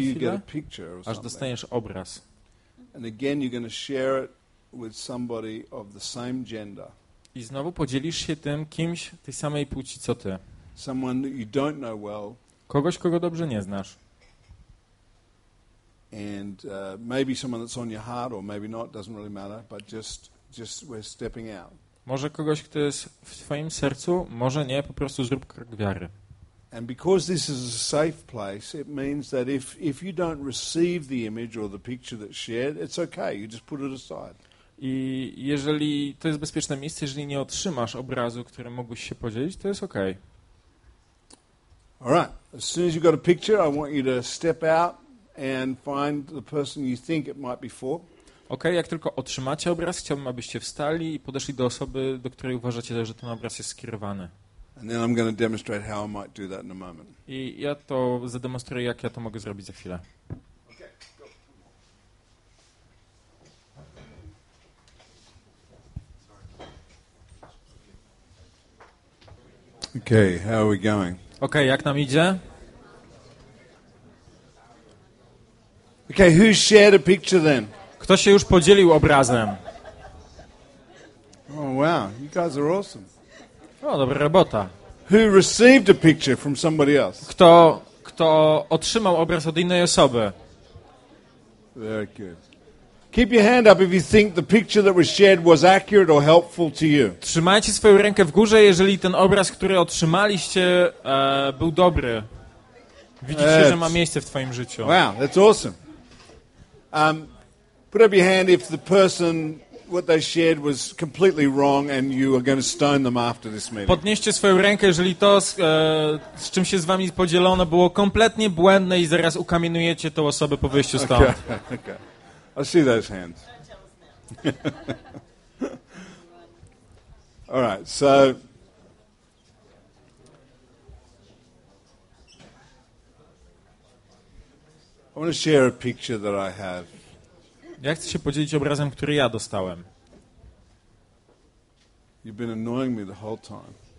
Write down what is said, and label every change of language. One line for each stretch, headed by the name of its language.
English: you get a picture or something.
Polish: Aż dostaniesz obraz.
English: And again you're going to share it with somebody of the same gender.
Polish: I znowu podzielisz się tym kimś tej samej płci co ty.
English: Someone that you don't know well.
Polish: Kogoś, kogo dobrze nie znasz.
English: And maybe someone that's on your heart or maybe not, doesn't really matter, but just we're stepping out.
Polish: Może kogoś, kto jest w twoim sercu, może nie, po prostu zrób krok wiary.
English: And because this is a safe place, it means that if you don't receive the image or the picture that's shared, it's okay. You just put it aside.
Polish: I jeżeli to jest bezpieczne miejsce, jeżeli nie otrzymasz obrazu, którym mógłbyś się podzielić, to jest okay.
English: All right. As soon as you've got a picture, I want you to step out and find the person you think it might be for.
Polish: Okay, jak tylko otrzymacie obraz, chciałbym, abyście wstali i podeszli do osoby, do której uważacie, że ten obraz jest skierowany.
English: And then I'm going to demonstrate how I might do that in a moment.
Polish: I ja to zademonstruję, jak ja to mogę zrobić za chwilę.
English: Okay, how are we going?
Polish: Okay, jak nam idzie?
English: Okay, who shared a picture then?
Polish: Kto się już podzielił obrazem?
English: Oh wow, you guys are awesome.
Polish: O, dobra robota.
English: Who received a picture from somebody else?
Polish: Kto otrzymał obraz od innej osoby?
English: Very good. Keep your hand up if you think the picture that was shared was accurate or helpful to you.
Polish: Trzymajcie swoją rękę w górze, jeżeli ten obraz, który otrzymaliście, był dobry. Widzicie, że ma miejsce w twoim życiu.
English: Wow, that's awesome. Put up your hand if the person what they shared was completely wrong and you are going to stone them after this meeting.
Polish: Podnieście swoją rękę, jeżeli to z czym się z wami podzielono było kompletnie błędne i zaraz ukamienujecie tą osobę po wyjściu stąd.
English: Okay, okay. I see those hands. All right, so I want to share a picture that I have.
Polish: Ja chcę się podzielić obrazem, który ja dostałem.
English: You've been annoying me the whole time.